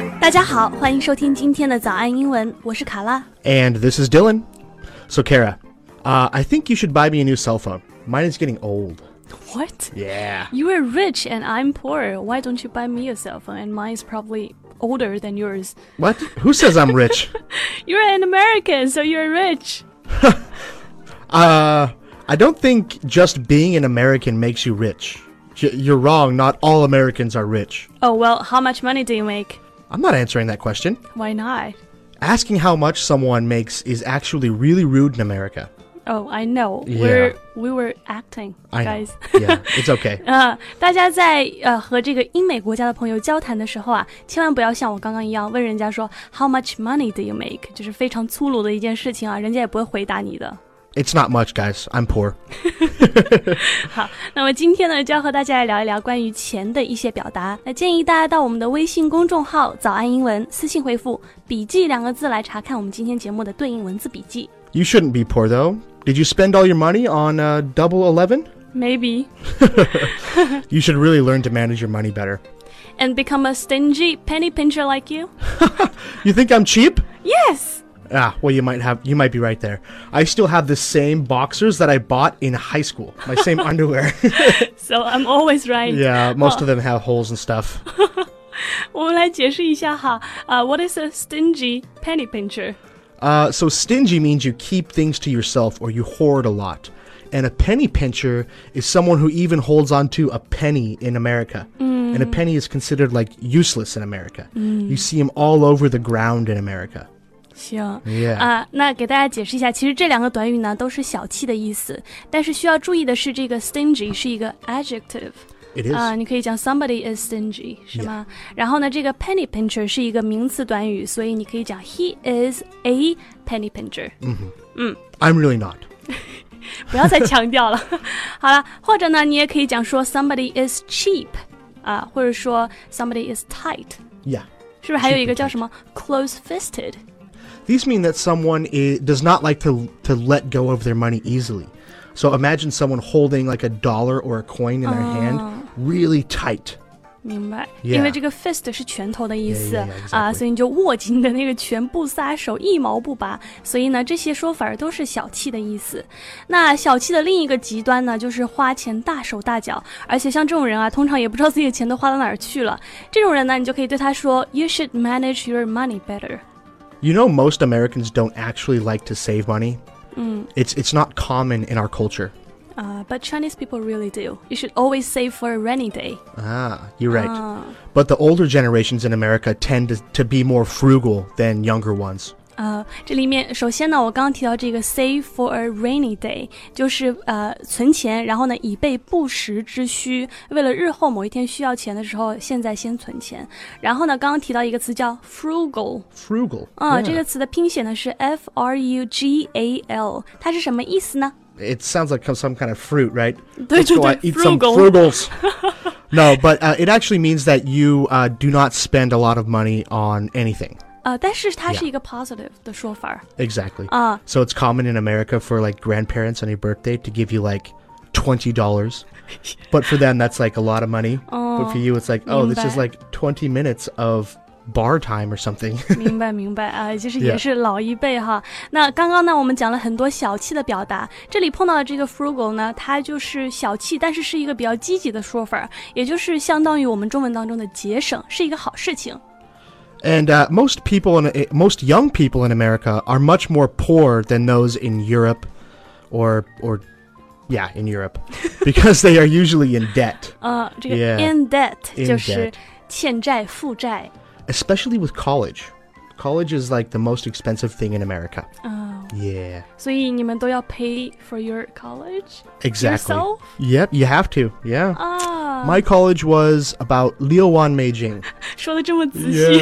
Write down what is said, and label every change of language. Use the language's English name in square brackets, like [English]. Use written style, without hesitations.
[Chinese] 家好，欢迎收听今天的早安英文，我是卡拉。 [English] And this is Dylan. So, Kara, I think you should buy me a new cell phone. Mine is getting old. What? Yeah. You are rich and I'm poor. Why don't you buy me a cell phone? And mine is probably older than yours. What? Who says I'm rich? You're an American, so you're rich. I don't think just being an American makes you rich. You're wrong, not all Americans are rich. Oh, well, how much money do you make? I'm not answering that question. Why not? Asking how much someone makes is actually really rude in America. Oh, I know. Yeah. We were acting, guys. Yeah, it's okay. [Chinese] 大家在和这个英美国家的朋友交谈的时候啊，千万不要像我刚刚一样问人家说 [English] How much money do you make? [Chinese] 就是非常粗鲁的一件事情啊，人家也不会回答你的。 [English] It's not much, guys. I'm poor. [Chinese] 好，那么今天呢，就要和大家来聊一聊关于钱的一些表达。那建议大家到我们的微信公众号“早安英文”私信回复“笔记”两个字来查看我们今天节目的对应文字笔记。 [English] You shouldn't be poor, though. Did you spend all your money on Double 11? Maybe. You should really learn to manage your money better. And become a stingy penny pincher like you. You think I'm cheap? Yes. Ah, well, you might be right there. I still have the same boxers that I bought in high school. My same underwear. So I'm always right. Yeah, most of them have holes and stuff. [Chinese] 我们来解释一下哈。 [English] What is a stingy penny pincher? So stingy means you keep things to yourself or you hoard a lot. And a penny pincher is someone who even holds on to a penny in America. Mm. And a penny is considered like useless in America. Mm. You see them all over the ground in America. [Chinese] 行、 [English] yeah. [Chinese] 那给大家解释一下，其实这两个短语呢都是小气的意思，但是需要注意的是这个 stingy 是一个 adjective [English] It is、 [Chinese] 你可以讲 [English] somebody is stingy [Chinese] 是吗、 [English] yeah. [Chinese] 然后呢这个 penny pincher 是一个名词短语，所以你可以讲 [English] he is a penny pincher、 mm-hmm. I'm really not [Chinese] 不要再强调了好了，或者呢你也可以讲说 [English] somebody is cheap、 [Chinese] 或者说 [English] somebody is tight、 yeah. [Chinese] 是不是还有一个叫什么 close-fisted [English] These mean that someone does not like to let go of their money easily. So imagine someone holding like a dollar or a coin in their hand really tight. [Chinese] 明白、 [English] yeah. [Chinese] 因为这个 fist 是拳头的意思 [English] yeah, yeah, exactly. [Chinese] 所以你就握紧的那个拳不撒手一毛不拔。所以呢这些说法都是小气的意思。那小气的另一个极端呢就是花钱大手大脚。而且像这种人啊通常也不知道自己的钱都花到哪儿去了。这种人呢你就可以对他说 [English] You should manage your money better. You know, most Americans don't actually like to save money. It's not common in our culture. But Chinese people really do. You should always save for a rainy day. Ah, you're right. But the older generations in America tend to be more frugal than younger ones. [Chinese] 这里面首先呢我刚刚提到这个 [English] save for a rainy day [Chinese] 就是存钱然后呢以备不时之需为了日后某一天需要钱的时候现在先存钱然后呢刚刚提到一个词叫 frugal、 [English] yeah. [Chinese] 这个词的拼写呢是 frugal 它是什么意思呢 [English] it sounds like some kind of fruit right [Chinese] 对对对 [English] eat some frugals no but it actually means that you do not spend a lot of money on anything [Chinese] 但是它是一个 positive 的说法 [English] Exactly、 uh, So it's common in America for like grandparents on your birthday to give you like $20 But for them that's like a lot of money、But for you it's like Oh this is like 20 minutes of bar time or something [Chinese] 明白明白、就是也是老一辈哈、yeah. 那刚刚呢我们讲了很多小气的表达这里碰到的这个 frugal 呢它就是小气但是是一个比较积极的说法也就是相当于我们中文当中的节省是一个好事情 [English] And most young people in America are much more poor than those in Europe in Europe, because they are usually in debt. [Chinese] In debt, 就是欠债负债。 [English] Especially with college. College is like the most expensive thing in America. Oh. Yeah. [Chinese] 所以你们都要 [English] pay for your college? Exactly. Yourself? Yep, you have to, yeah. My college was about Liaowan Meijing. [Chinese] 说得这么仔细。